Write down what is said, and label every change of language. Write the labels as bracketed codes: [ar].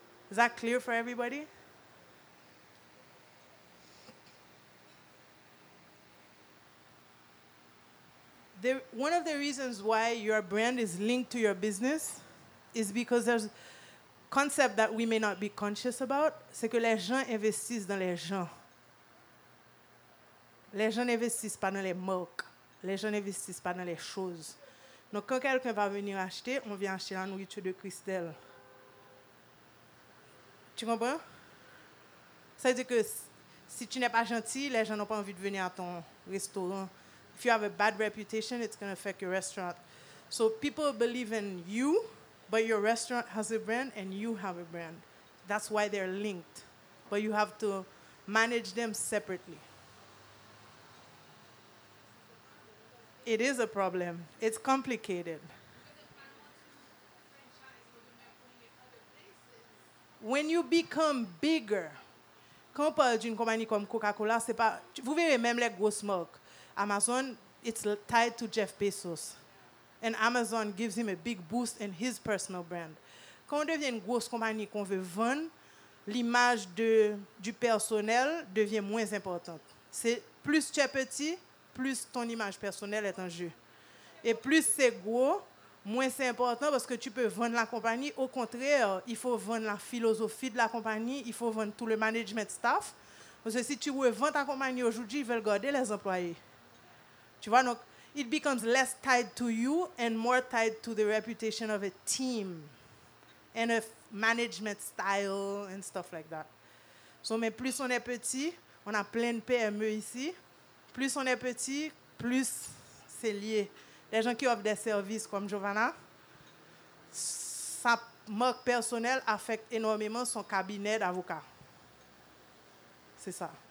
[en] Is that clear for everybody? One of the reasons why your brand is linked to your business is because there's a concept that we may not be conscious about. [fr] C'est que les gens investissent dans les gens. Les gens n'investissent pas dans les marques. Les gens n'investissent pas dans les choses. Donc, quand quelqu'un va venir acheter, on vient acheter la nourriture de Christelle. Tu comprends? Ça veut dire que si tu n'es pas gentil, les gens n'ont pas envie de venir à ton restaurant. [en] If you have a bad reputation, it's going to affect your restaurant. So people believe in you, but your restaurant has a brand and you have a brand. That's why they're linked. But you have to manage them separately. It is a problem. It's complicated. When you become bigger, [fr] quand on parle d'une compagnie comme Coca-Cola, c'est pas, vous verrez même les gros marques. [en] Amazon, it's tied to Jeff Bezos. And Amazon gives him a big boost in his personal brand. [fr] Quand on devient une grosse compagnie qu'on veut vendre, l'image du personnel devient moins importante. C'est plus tu es petit, plus ton image personnelle est en jeu. Et plus c'est gros, moins c'est important parce que tu peux vendre la compagnie. Au contraire, il faut vendre la philosophie de la compagnie, il faut vendre tout le management staff. Parce que si tu veux vendre ta compagnie aujourd'hui, ils veulent garder les employés. Tu vois, donc, [en] it becomes less tied to you and more tied to the reputation of a team and a management style and stuff like that. [fr] So, mais plus on est petit, on a plein de PME ici, plus on est petit, plus c'est lié. Les gens qui offrent des services comme Giovanna, sa marque personnelle affecte énormément son cabinet d'avocat. C'est ça.